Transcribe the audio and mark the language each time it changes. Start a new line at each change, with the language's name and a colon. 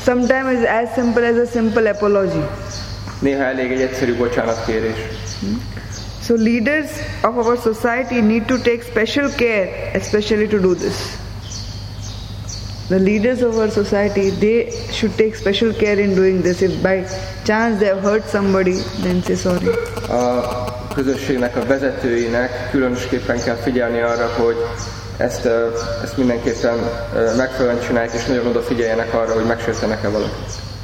English: Sometimes it's as simple as a simple apology.
Hungarian: Néha elég egy egyszerű bocsánatkérés.
English: So leaders of our society need to take special care, especially to do this. The leaders of our society, they should take special care in doing this. If by chance they have hurt somebody, then say sorry.
Hungarian: A közösségnek, a vezetőinek különösképpen kell figyelni arra, hogy ezt mindenképpen megfelelően csinálják, és nagyon odafigyeljenek arra, hogy megsértenek-e valakit.